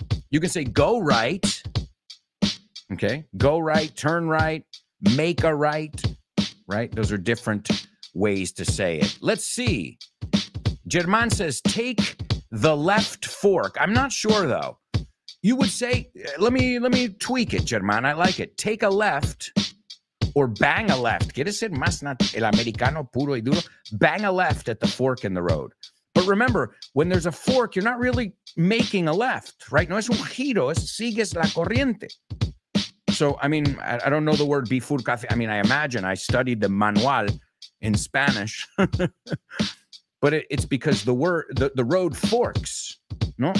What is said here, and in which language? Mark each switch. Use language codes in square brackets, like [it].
[en] You can say go right. Okay. Go right, turn right, make a right. Right? Those are different ways to say it. Let's see. German says, take the left fork. I'm not sure, though. You would say, let me tweak it, German. I like it. Take a left or bang a left. [es] ¿Quieres ser más el americano puro y duro? [en] Bang a left at the fork in the road. But remember, when there's a fork, you're not really making a left, right? [es] No es un giro, es sigues la corriente. [en] So, I mean, I don't know the word bifurcación. I mean, I imagine I studied the manual in Spanish. But it's because the word the road forks, no?